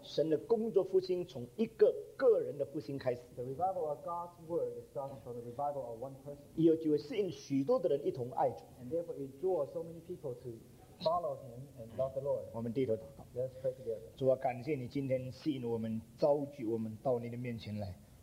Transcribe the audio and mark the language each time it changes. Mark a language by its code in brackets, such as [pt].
[zh] 神的工作复兴从一个人的复兴开始。The [en] revival of God's word is starting from the revival of one person. [zh] 以后就会吸引许多的人一同爱主。And [en] therefore, it draws so many people to follow Him and love the Lord. [zh] 我们低头祷告。Let's [en] pray together. [zh] 主啊，感谢你今天吸引我们，召集我们到你的面前来。